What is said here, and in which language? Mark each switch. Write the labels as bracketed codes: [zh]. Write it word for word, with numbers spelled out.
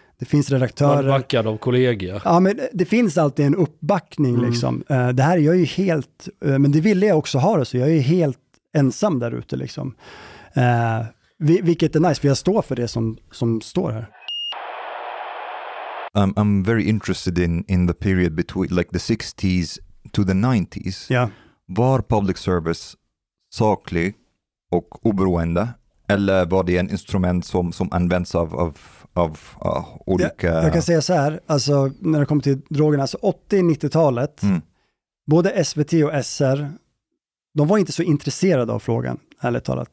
[sv] Det finns redaktörer. Man backar av kollegor. Ja, men det finns alltid en uppbackning mm. liksom. Det här är jag ju helt, men det ville jag också ha det, så jag är helt ensam där ute liksom. Eh, vilket är nice, för jag står för det som, som står här. [en] Um, I'm very interested in, in the period between like the sixties to the nineties. Yeah. [sv] Var public service saklig och oberoende Eller var det en instrument som, som används av, av, av uh, olika... Jag, jag kan säga så här, alltså, när det kommer till drogerna, alltså åttio-nittiotalet, mm. både S V T och S R, de var inte så intresserade av frågan, ärligt talat.